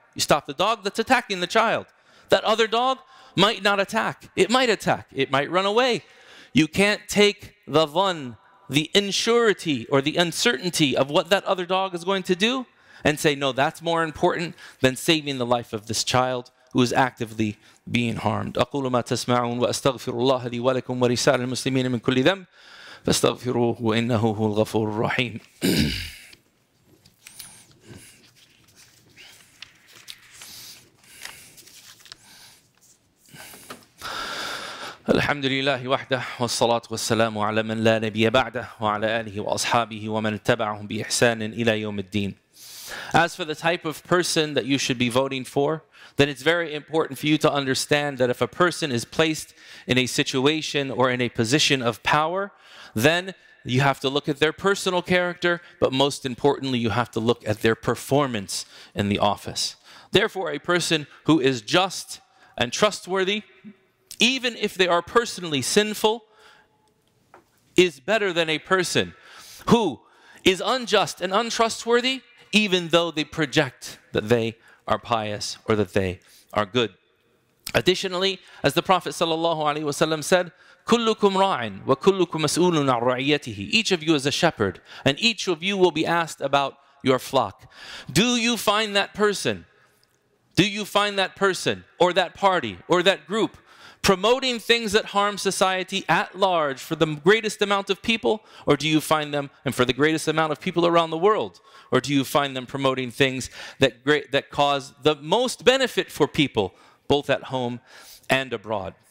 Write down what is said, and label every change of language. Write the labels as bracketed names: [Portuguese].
[English] You stop the dog that's attacking the child. That other dog might not attack. It might attack. It might run away. You can't take the dhan, the insurety or the uncertainty of what that other dog is going to do, and say, no, that's more important than saving the life of this child who is actively being harmed. [Arabic] أقول ما تسمعون وأستغفر الله لي ولكم ولسائر المسلمين من كل ذنب فاستغفروه وإنه هو الغفور الرحيم. الحمد لله وحده والصلاة والسلام على من لا نبي بعده وعلى آله وأصحابه ومن اتبعهم بإحسان إلى يوم الدين. [English] As for the type of person that you should be voting for, then it's very important for you to understand that if a person is placed in a situation or in a position of power, then you have to look at their personal character, but most importantly, you have to look at their performance in the office. Therefore, a person who is just and trustworthy, even if they are personally sinful, is better than a person who is unjust and untrustworthy, even though they project that they are pious or that they are good. Additionally, as the Prophet ﷺ said, [Arabic] كُلُّكُمْ رَعٍ وَكُلُّكُمْ مَسْؤُولٌ عَنْ رَعِيَتِهِ. [English] Each of you is a shepherd, and each of you will be asked about your flock. Do you find that person? Do you find that person, or that party, or that group, promoting things that harm society at large for the greatest amount of people? Or do you find them, and for the greatest amount of people around the world? Or do you find them promoting things that cause the most benefit for people, both at home and abroad?